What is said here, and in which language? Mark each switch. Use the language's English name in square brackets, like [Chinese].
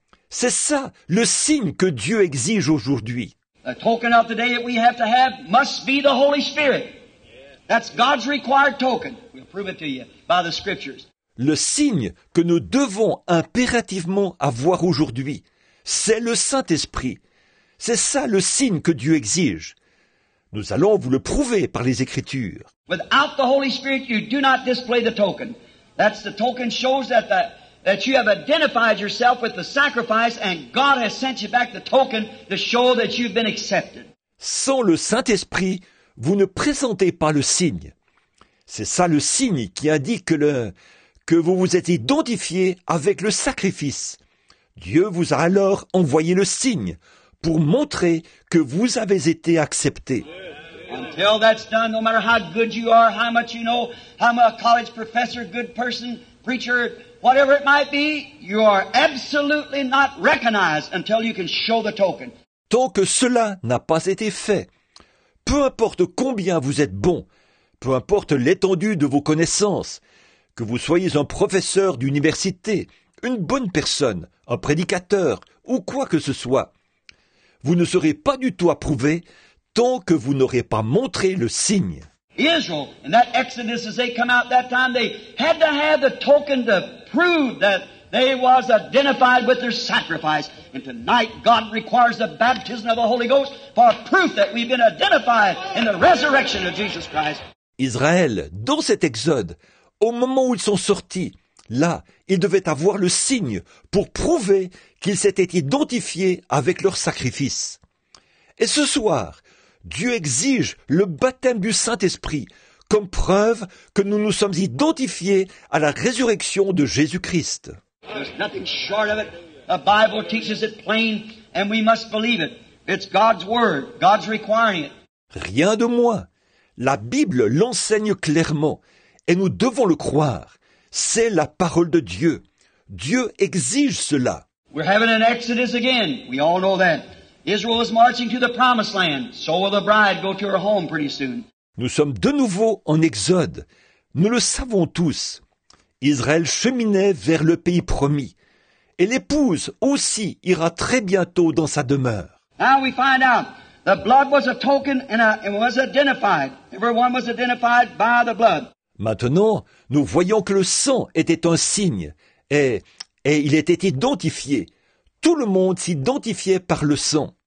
[French] C'est ça le signe que Dieu exige aujourd'hui. [English] The token of today that we have to have must be the Holy Spirit. That's God's required token. We'll prove it to you by the scriptures. [French] Le signe que nous devons impérativement avoir aujourd'hui, c'est le Saint-Esprit. C'est ça le signe que Dieu exige. Nous allons vous le prouver par les Écritures. [English] Without the Holy Spirit, you do not display the token. That's the token shows that that you have identified yourself with the sacrifice and God has sent you back the token to show that you've been accepted. [French] Sans le Saint-Esprit, vous ne présentez pas le signe. C'est ça le signe qui indique que vous vous êtes identifié avec le sacrifice. Dieu vous a alors envoyé le signe pour montrer que vous avez été accepté. [English] Until that's done, no matter how good you are, how much you know, how much a college professor, good person, preacher, whatever it might be, you are absolutely not recognized until you can show the token. [French] Tant que cela n'a pas été fait, peu importe combien vous êtes bon, peu importe l'étendue de vos connaissances, que vous soyez un professeur d'université, une bonne personne, un prédicateur ou quoi que ce soit, vous ne serez pas du tout approuvé tant que vous n'aurez pas montré le signe. [English] Israël, in that Exodus, as they come out that time, they had to have the token to prove that they was identified with their sacrifice. And tonight, God requires the baptism of the Holy Ghost for proof that we've been identified in the resurrection of Jesus Christ. [French] Israël, dans cet Exode, au moment où ils sont sortis, là, ils devaient avoir le signe pour prouver qu'ils s'étaient identifiés avec leur sacrifice. Et ce soir, Dieu exige le baptême du Saint-Esprit comme preuve que nous nous sommes identifiés à la résurrection de Jésus-Christ. [English] There's nothing short of it. The Bible teaches it plain and we must believe it. It's God's word. God's requiring it. [French] Rien de moins. La Bible l'enseigne clairement et nous devons le croire. C'est la parole de Dieu. Dieu exige cela. [English] We're having an exodus again. We all know that. Israel is marching to the promised land. So will the bride go to her home pretty soon. [French] Nous sommes de nouveau en exode. Nous le savons tous. Israël cheminait vers le pays promis. Et l'épouse aussi ira très bientôt dans sa demeure. [English] Now we find out the blood was a token and it was identified. Everyone was identified by the blood. [French] Maintenant, nous voyons que le sang était un signe et il était identifié. Tout le monde s'identifiait par le sang.